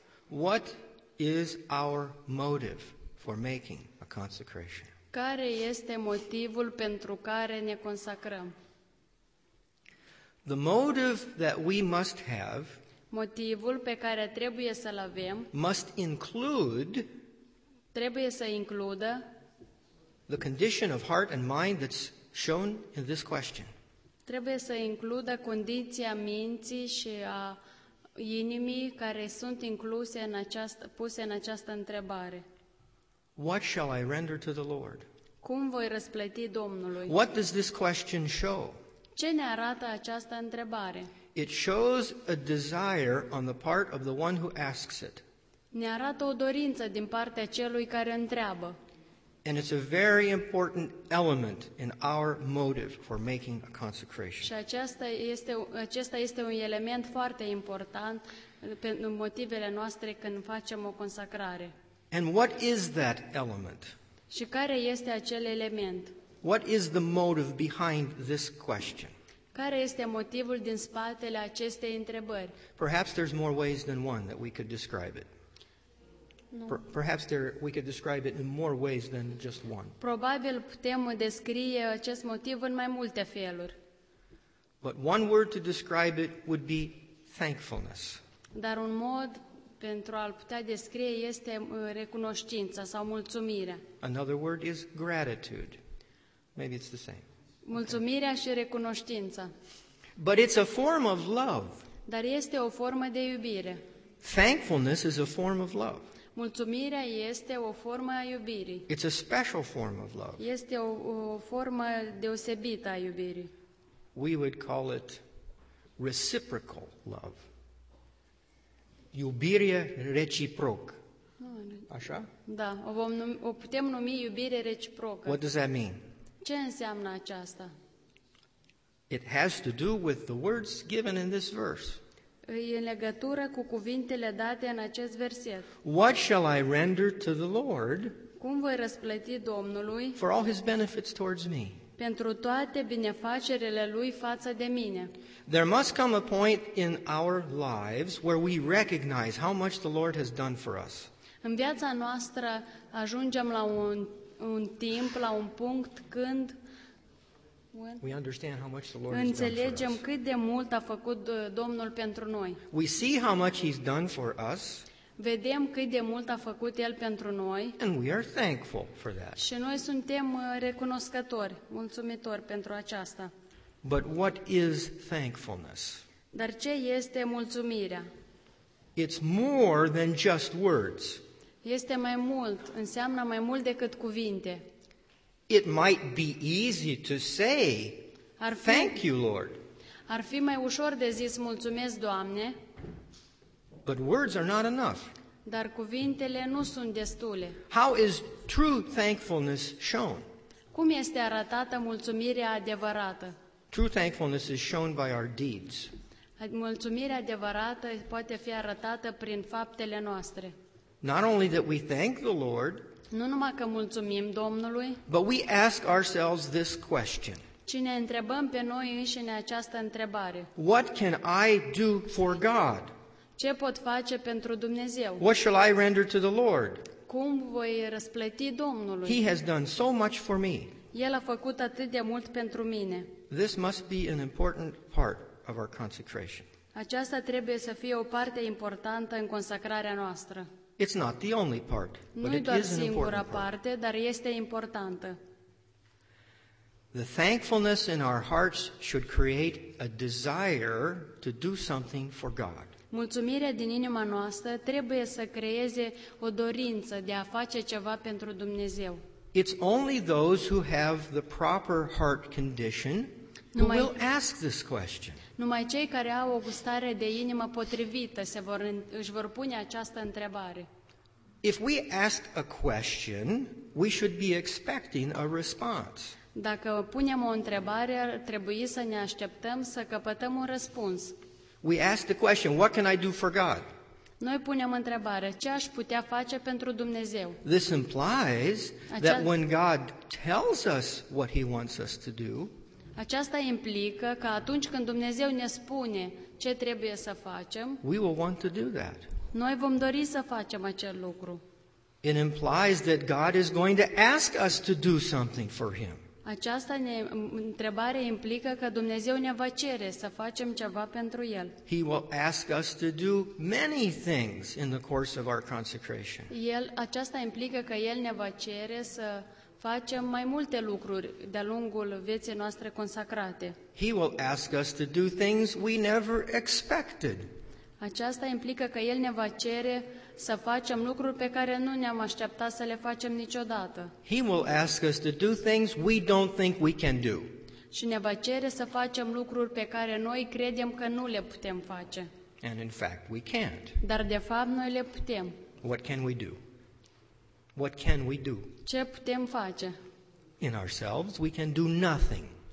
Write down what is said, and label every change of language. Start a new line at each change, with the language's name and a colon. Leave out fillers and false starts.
English: What is our motive for making a consecration?
Romanian: Care este motivul pentru care ne consacrăm?
English: The motive that we must have,
Romanian: motivul pe care trebuie să-l avem,
English: must include,
Romanian: trebuie să includă,
English: the condition of heart and mind that's shown in this question.
Romanian: Trebuie să includă condiția minții și a inimii care sunt incluse în această, puse în această întrebare.
English: What shall I render to the Lord?
Romanian: Cum voi răsplăti Domnului?
English: What does this question show?
Romanian: Ce ne arată această întrebare?
English: It shows a desire on the part of the one who asks it.
Romanian: Ne arată o dorință din partea celui care întreabă.
English: And it's a very important element in our motive for making a consecration.
Romanian: Și acesta este un element foarte important pentru motivele noastre când facem o consacrare.
English: And what is that element?
Romanian: Și care este acel element?
English: What is the motive behind this question?
Romanian: Care este motivul din spatele acestei întrebări?
English: Perhaps there's more ways than one that we could describe it. Perhaps there we could describe it in more ways than just one.
Romanian: Probabil putem descrie acest motiv în mai multe feluri.
English: But one word to describe it would be thankfulness.
Romanian: Dar un mod pentru a-l putea descrie este recunoștința sau mulțumirea.
English: Another word is gratitude. Maybe it's the same.
Romanian: Mulțumirea și recunoștința.
English: But it's a form of love.
Romanian: Dar este o formă de iubire.
English: Thankfulness is a form of love.
Romanian: Mulțumirea este o formă a iubirii.
English: It's a special form of love.
Romanian: Este o formă deosebită a iubirii.
English: We would call it reciprocal love.
Romanian: Iubire reciproc. Așa? Da, o putem numi iubire reciprocă.
English: What does that mean?
Romanian: Ce înseamnă aceasta?
English: It has to do with the words given in this verse.
Romanian: În legătură cu cuvintele date în acest verset.
English: What shall I render to the Lord?
Romanian: Cum voi răsplăti Domnului?
English: For all his benefits towards me.
Romanian: Pentru toate binefacerile lui față de mine.
English: There must come a point in our lives where we recognize how much the Lord has done for us.
Romanian: În viața noastră ajungem la un timp, la un punct când
English: we understand how much the Lord
Romanian: înțelegem cât de mult a făcut Domnul pentru noi.
English: We see how much he's done for us.
Romanian: Vedem cât de mult a făcut El pentru noi.
English: And we are thankful for that.
Romanian: Și noi suntem recunoscători, mulțumitori pentru aceasta.
English: But what is thankfulness?
Romanian: Dar ce este mulțumirea?
English: It's more than just words.
Romanian: Este mai mult, înseamnă mai mult decât cuvinte.
English: It might be easy to say, thank you, Lord.
Romanian: Ar fi mai ușor de zis, mulțumesc, Doamne.
English: But words are not enough.
Romanian: Dar cuvintele nu sunt destule.
English: How is true thankfulness shown?
Romanian: Cum este arătată mulțumirea adevărată?
English: True thankfulness is shown by our deeds.
Romanian: Mulțumirea adevărată poate fi arătată prin faptele noastre.
English: Not only that we thank the Lord,
Romanian: nu numai că mulțumim Domnului,
English: but we ask ourselves this question.
Romanian: Ci ne întrebăm pe noi înșine această întrebare.
English: What can I do for God?
Romanian: Ce pot face pentru Dumnezeu?
English: What shall I render to the Lord?
Romanian: Cum voi răsplăti Domnului?
English: He has done so much for me.
Romanian: El a făcut atât de mult pentru mine.
English: This must be an important part of our consecration.
Romanian: Aceasta trebuie să fie o parte importantă în consecrarea noastră.
English: It's not the only part, but it is an important part.
Romanian: Dar este importantă.
English: The thankfulness in our hearts should create a desire to do something for God.
Romanian: Mulțumirea din inima noastră trebuie să creeze o dorință de a face ceva pentru Dumnezeu.
English: It's only those who have the proper heart condition who will ask this question.
Romanian: Numai cei care au o gustare de inimă potrivită își vor pune această întrebare.
English: If we ask a question, we should be expecting a response.
Romanian: Dacă punem o întrebare, ar trebui să ne așteptăm să căpătăm un răspuns.
English: We ask the question, what can I do for God?
Romanian: Noi punem întrebarea, ce aș putea face pentru Dumnezeu?
English: This implies that when God tells us what he wants us to do,
Romanian: aceasta implică că atunci când Dumnezeu ne spune ce trebuie să facem,
English: we will want to do that.
Romanian: Noi vom dori să facem acel lucru.
English: It implies that God is going to ask us to do something for him.
Romanian: Această întrebare implică că Dumnezeu ne va cere să facem ceva pentru El.
English: He will ask us to do many things in the course of our consecration.
Romanian: Aceasta implică că El ne va cere să facem mai multe lucruri de-a lungul vieții noastre consacrate.
English: He will ask us to do things we never expected.
Romanian: Aceasta implică că El ne va cere să facem lucruri pe care nu ne-am așteptat să le facem niciodată.
English: He will ask us to do things we don't think we can do.
Romanian: Și ne va cere să facem lucruri pe care noi credem că nu le putem face.
English: And in fact, we can't.
Romanian: Dar de fapt noi le putem.
English: What can we do? What can we do?
Romanian: Ce putem face?
English: In ourselves, we can do nothing.